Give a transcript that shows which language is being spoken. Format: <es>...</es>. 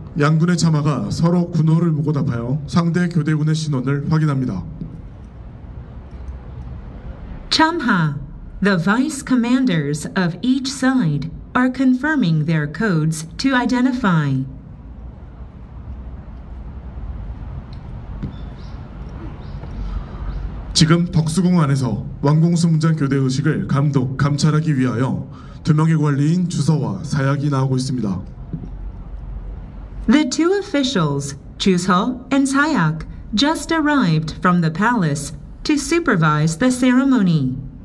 <ko>양군의 참마가 서로 군호를 무고 답하여 상대 교대군의 신원을 확인합니다.</ko> <en>참하, the vice commanders of each side are confirming their codes to identify.</en> <ko>지금 덕수궁 안에서 왕궁 수문장 교대 의식을 감독, 감찰하기 위하여 두 명의 관리인 주서와 사약이 나오고 있습니다.</ko> <en>The two officials, Juseo and Sayak, just arrived from the palace to supervise the ceremony.</en>